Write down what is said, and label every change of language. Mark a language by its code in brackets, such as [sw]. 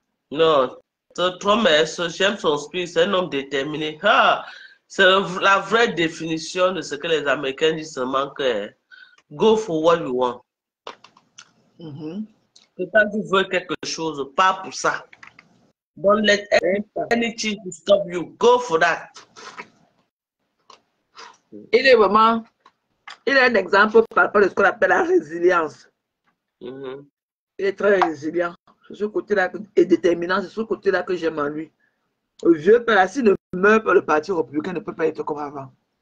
[fr] Non. Trump est ce j'aime son esprit. C'est un homme déterminé. C'est la vraie définition de ce que les Américains disent seulement. [en] Go for what you want. [fr] Quand tu veux quelque chose, pas pour ça. [en] Don't let anything to stop you. Go for that. [fr] Il est un exemple par rapport à ce qu'on appelle la résilience. Mm-hmm. Il est très résilient. C'est ce côté-là et déterminant. C'est ce côté-là que j'aime en lui. Le vieux père, s'il ne meurt pas, le parti républicain ne peut pas être comme avant.